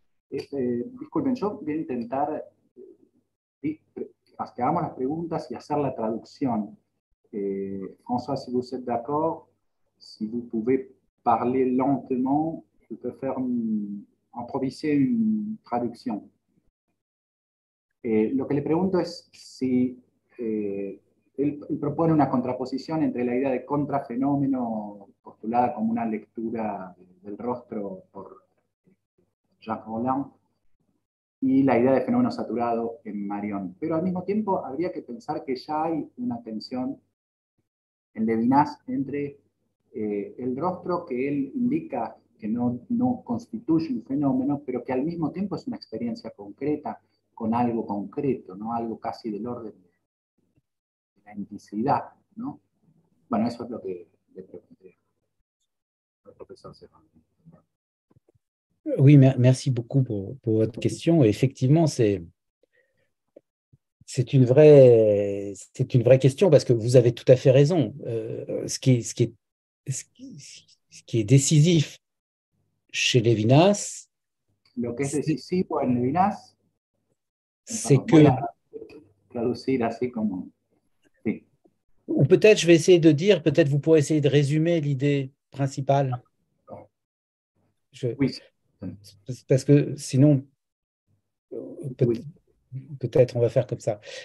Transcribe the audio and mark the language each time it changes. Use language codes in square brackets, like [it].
[fr] Je vais essayer de faire la question et faire la traduction. Et François, si vous êtes d'accord, si vous pouvez parler lentement, je peux improviser une traduction. [es] Et lo que le pregunto es si él propone una contraposición entre la idea de contrafenómeno postulada como una lectura del rostro por Jacques Roland y la idea de fenómeno saturado en Marion. Pero al mismo tiempo habría que pensar que ya hay una tensión en Lévinas entre el rostro que él indica que no constituye un fenómeno, pero que al mismo tiempo es una experiencia concreta con algo concreto, ¿no? Algo casi del orden de la entidad, ¿no? Bueno, eso es lo que le pregunté al profesor Serrano. [fr] Oui, merci beaucoup pour votre question. Effectivement, c'est une vraie question parce que vous avez tout à fait raison. Ce qui est décisif chez Lévinas, [es] lo que es decisivo en Lévinas, [fr] c'est que [es] traducir así como sí. [fr] Ou peut-être je vais essayer de dire, peut-être vous pourrez essayer de résumer l'idée principale. Oui. Parce que sinon, peut-être on va faire comme ça.